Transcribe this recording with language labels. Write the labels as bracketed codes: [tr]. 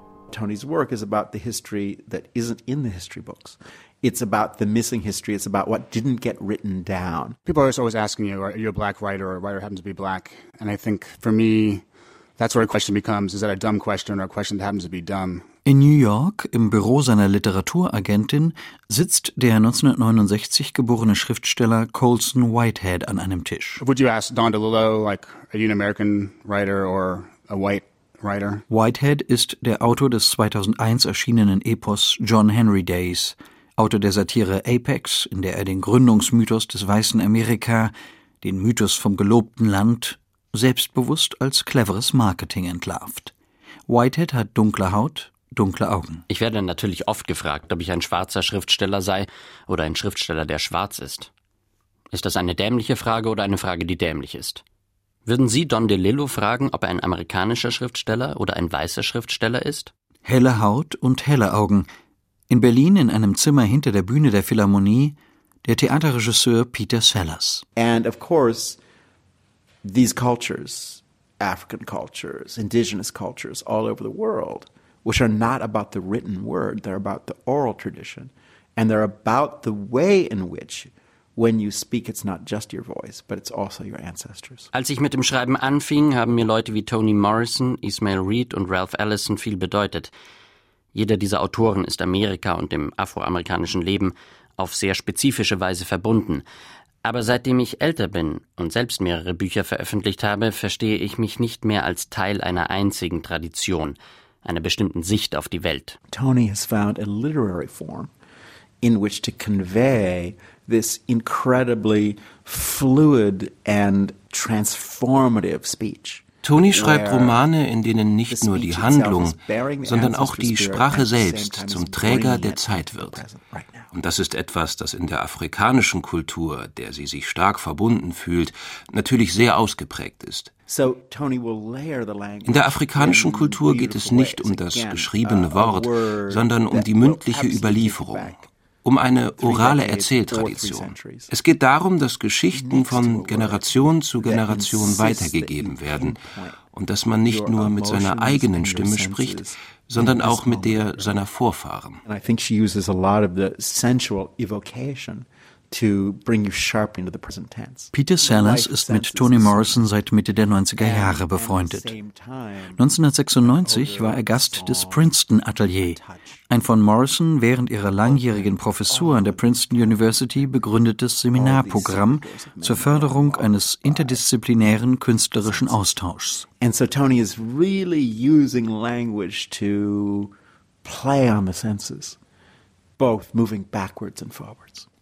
[en] Tony's work is about the history that isn't in the history books. It's about the missing history. It's about what didn't get written down. People are always asking you, are you a black writer or a writer who happens to be black? And I think for me, that's where a question becomes, is that a dumb question or a question that happens to be dumb? [de] In New York, im Büro seiner Literaturagentin, sitzt der 1969 geborene Schriftsteller Colson Whitehead an einem Tisch. [en] Would you ask Don DeLillo, like, are you an American writer or a white writer? [de] Whitehead ist der Autor des 2001 erschienenen Epos John Henry Days, Autor der Satire Apex, in der er den Gründungsmythos des weißen Amerika, den Mythos vom gelobten Land, selbstbewusst als cleveres Marketing entlarvt. Whitehead hat dunkle Haut, dunkle Augen. Ich werde natürlich oft gefragt, ob ich ein schwarzer Schriftsteller sei oder ein Schriftsteller, der schwarz ist. Ist das eine dämliche Frage oder eine Frage, die dämlich ist? Würden Sie Don DeLillo fragen, ob er ein amerikanischer Schriftsteller oder ein weißer Schriftsteller ist? Helle Haut und helle Augen. In Berlin, in einem Zimmer hinter der Bühne der Philharmonie, der Theaterregisseur Peter Sellers. [en] And of course, these cultures, African cultures, indigenous cultures all over the world, which are not about the written word, they're about the oral tradition, and they're about the way in which, when you speak, it's not just your voice, but it's also your ancestors. [de] Als ich mit dem Schreiben anfing, haben mir Leute wie Toni Morrison, Ismael Reed und Ralph Ellison viel bedeutet. Jeder dieser Autoren ist Amerika und dem afroamerikanischen Leben auf sehr spezifische Weise verbunden. Aber seitdem ich älter bin und selbst mehrere Bücher veröffentlicht habe, verstehe ich mich nicht mehr als Teil einer einzigen Tradition, einer bestimmten Sicht auf die Welt. [en] Toni has found a literary form in which to convey this incredibly fluid and transformative speech. [de] Toni schreibt Romane, in denen nicht nur die Handlung, sondern auch die Sprache selbst zum Träger der Zeit wird. Und das ist etwas, das in der afrikanischen Kultur, der sie sich stark verbunden fühlt, natürlich sehr ausgeprägt ist. In der afrikanischen Kultur geht es nicht um das geschriebene Wort, sondern um die mündliche Überlieferung. Um eine orale Erzähltradition. Es geht darum, dass Geschichten von Generation zu Generation weitergegeben werden und dass man nicht nur mit seiner eigenen Stimme spricht, sondern auch mit der seiner Vorfahren. [en] I think she uses a lot of the sensual evocation to bring you sharp into the present tense. [de] Peter Sellers ist mit Toni Morrison seit Mitte der 90er Jahre befreundet. 1996 war er Gast des Princeton Atelier, ein von Morrison während ihrer langjährigen Professur an der Princeton University begründetes Seminarprogramm zur Förderung eines interdisziplinären künstlerischen Austauschs. [en] And so Toni is really using language to play on the senses, both moving backwards and forwards.